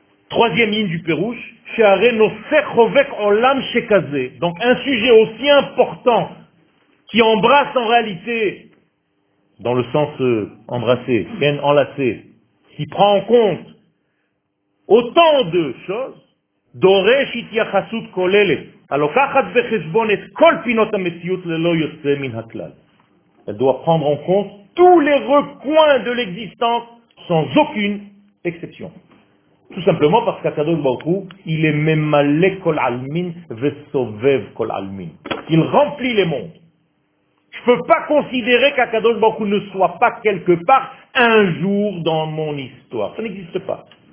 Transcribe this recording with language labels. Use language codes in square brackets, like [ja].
[fr] Troisième ligne du Pérouche, [he] Sheare Nosekhovek Olam Shekazé. [fr] Donc un sujet aussi important qui embrasse en réalité, dans le sens embrassé, bien enlacé, qui prend en compte autant de choses, [he] דורש התייחסות כוללת, הלוקחת בחשבון את כל פינות המציאות ללא יוצא מן הכלל. [fr] Elle doit prendre en compte tous les recoins de l'existence sans aucune exception. Tout simplement parce qu'Akadosh Baruch Hu, il est [he] memale kol almin ve sovev kol almin. [fr] Il remplit les mondes. Je ne peux pas considérer qu'Akadosh Baruch Hu ne soit pas quelque part un jour dans mon histoire. Ça n'existe pas.